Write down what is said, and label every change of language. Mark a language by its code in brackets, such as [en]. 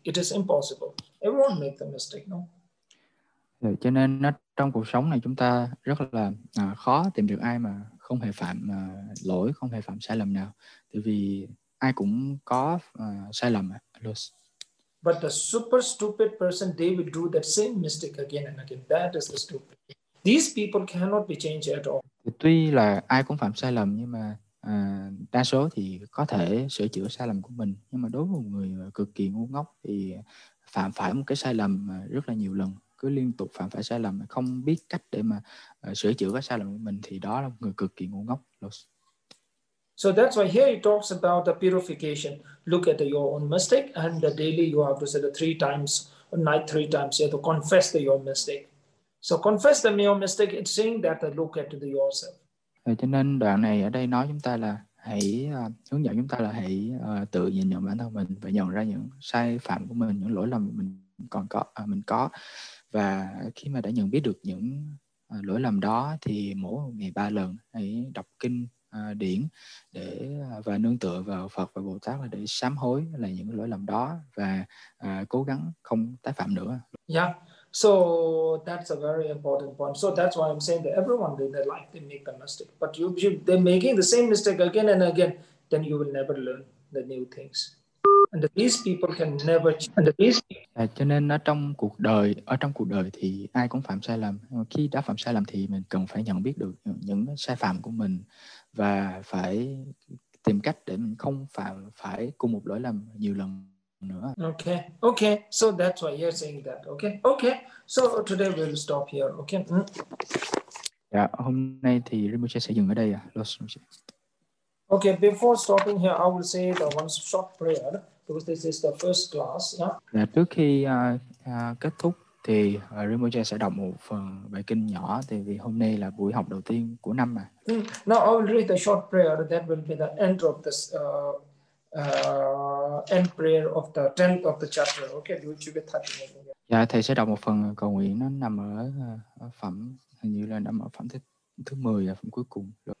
[en] It is impossible. Everyone make the mistake, no? [vi] Cho nên trong cuộc sống này chúng ta rất là khó tìm được ai mà không hề phạm lỗi, không hề phạm sai lầm nào. Tại vì ai cũng có sai lầm. [en] But the super stupid person, they will do that same mistake again and again. That is the stupid. These people cannot be changed at all. [vi] Tuy là ai cũng phạm sai lầm, nhưng mà đa số thì có thể sửa chữa sai lầm của mình. Nhưng mà đối với một người cực kỳ ngu ngốc thì phạm phải một cái sai lầm rất là nhiều lần, cứ liên tục phạm phải sai lầm, không biết cách để mà sửa chữa cái sai lầm của mình, thì đó là một người cực kỳ ngu ngốc. [en] So that's why here it talks about the purification. Look at your own mistake and the daily you have to say the three times, night three times, you have to confess your mistake. So confess the your mistake, it's saying that look at yourself. [vi] Cho nên đoạn này ở đây nói chúng ta là hướng dẫn chúng ta là hãy tự nhìn nhận bản thân mình và nhận ra những sai phạm của mình, những lỗi lầm mình còn có, mình có. Và khi mà đã nhận biết được những lỗi lầm đó thì mỗi ngày ba lần hãy đọc kinh điển để và nương tựa vào Phật và Bồ Tát là để sám hối là những lỗi lầm đó và cố gắng không tái phạm nữa. [en] Yeah, so that's a very important point. So that's why I'm saying that everyone in their life they make a mistake, but you they're making the same mistake again and again, then you will never learn the new things. And these people can never change. [vi] Cho nên ở trong cuộc đời thì ai cũng phạm sai lầm. Khi đã phạm sai lầm thì mình cần phải nhận biết được những sai phạm của mình và phải tìm cách để mình không phải cùng một lỗi lầm nhiều lần nữa. [en] Okay. So that's why you're saying that. Okay. So today we'll stop here. Okay. [vi] Dạ, hôm nay thì Rinpoche sẽ dừng ở đây. [en] Okay, before stopping here, I will say the one short prayer, because this is the first class. Yeah. [vi] Trước khi kết thúc thì Rinpoche sẽ đọc một phần bài kinh nhỏ, thì vì hôm nay là buổi học đầu tiên của năm mà. [en] Now I will read the short prayer that will be the end of this end prayer of the 10th of the chapter. Okay, do you get that? [vi] Dạ, thầy sẽ đọc một phần cầu nguyện, nó nằm ở phẩm, hình như là nằm ở phẩm thứ 10 và phẩm cuối cùng.